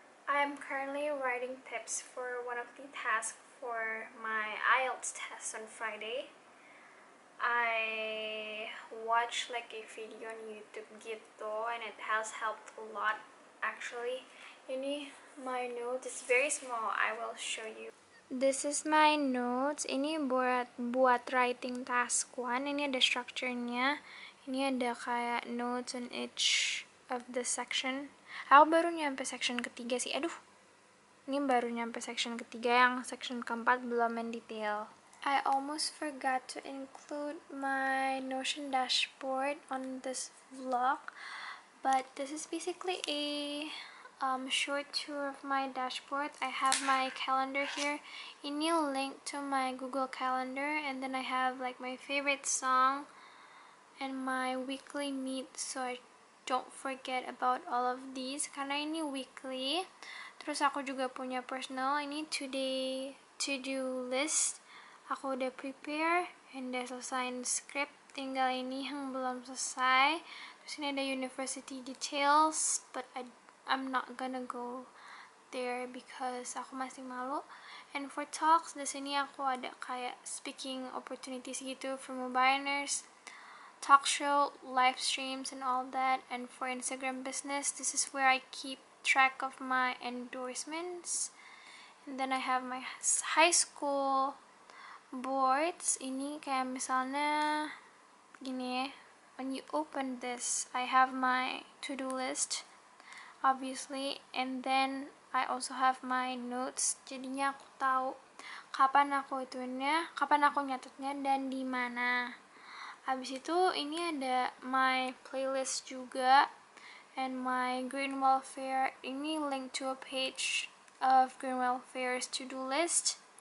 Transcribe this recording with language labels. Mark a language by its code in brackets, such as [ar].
[en] I'm currently writing tips for one of the tasks for my IELTS test on Friday. I watched like a video on YouTube gitu, and it has helped a lot actually. Ini my notes, it's very small, I will show you. This is my notes, [id] ini buat [en] writing task 1, [id] ini ada [en] structure-nya. [id] Ini ada kayak [en] notes on each of the section. [id] Aku baru nyampe section ketiga sih, aduh. Ini baru nyampe section ketiga, yang section keempat belum [en] in detail. I almost forgot to include my Notion dashboard on this vlog, but this is basically a short tour of my dashboard. I have my calendar here. Ini link to my Google Calendar, and then I have like my favorite song and my weekly meet, so I don't forget about all of these, [id] karena ini weekly. Terus aku juga punya personal, ini today to-do list. Aku udah prepare and udah selesai script. Tinggal ini yang belum selesai. Terus ini ada [en] university details, but I'm not gonna go there because [id] aku masih malu. [en] And for talks, [id] di sini aku ada kayak [en] speaking opportunities gitu for mobiners, talk show, live streams and all that. And for Instagram business, this is where I keep track of my endorsements. And then I have my high school boards. [id] Ini kayak misalnya gini ya. [en] When you open this, I have my to-do list, obviously, and then I also have my notes. [id] Jadinya aku tahu kapan aku ituinnya, kapan aku nyatetnya, dan di mana. Abis itu ini ada [en] my playlist juga, and my green welfare. Ini link to a page of green welfare's to-do list.